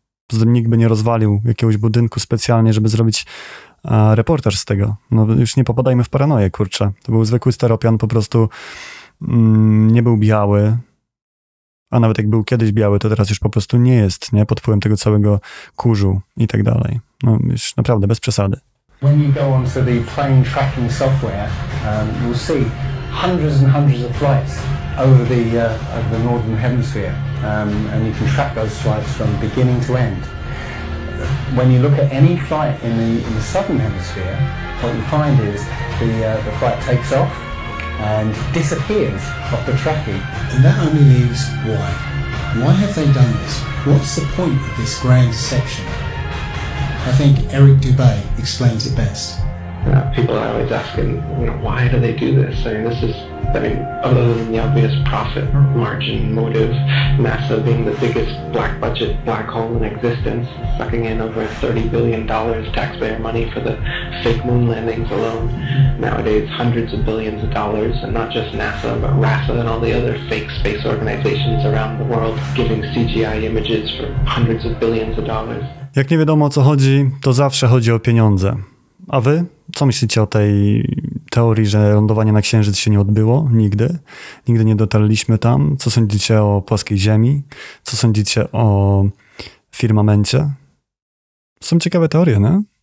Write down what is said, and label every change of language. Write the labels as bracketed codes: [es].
[pl] Poza tym nikt by nie rozwalił jakiegoś budynku specjalnie, żeby zrobić reportaż z tego. No już nie popadajmy w paranoję, kurczę. To był zwykły styropian, po prostu nie był biały. A nawet jak był kiedyś biały, to teraz już po prostu nie jest, nie? Pod wpływem tego całego kurzu i tak dalej. No już naprawdę, bez przesady. [en] When you go onto the plane tracking software, you'll see hundreds and hundreds of flights over the northern hemisphere, and you can track those flights from beginning to end. When you look at any flight in the southern hemisphere, what you find is the flight takes off and disappears off the tracking. And that only leaves why. Why have they done this? What's the point of this grand deception? I think Eric Dubay explains it best. People are always asking, you know, why do they do this? I mean, other than the obvious profit margin motive, NASA being the biggest black budget black hole in existence, sucking in over $30 billion taxpayer money for the fake moon landings alone. Nowadays, hundreds of billions of dollars, and not just NASA, but RASA and all the other fake space organizations around the world giving CGI images for hundreds of billions of dollars. [pl] Jak nie wiadomo, o co chodzi, to zawsze chodzi o pieniądze. A wy? Co myślicie o tej teorii, że lądowanie na Księżyc się nie odbyło? Nigdy? Nigdy nie dotarliśmy tam? Co sądzicie o płaskiej Ziemi? Co sądzicie o firmamencie? Są ciekawe teorie, nie?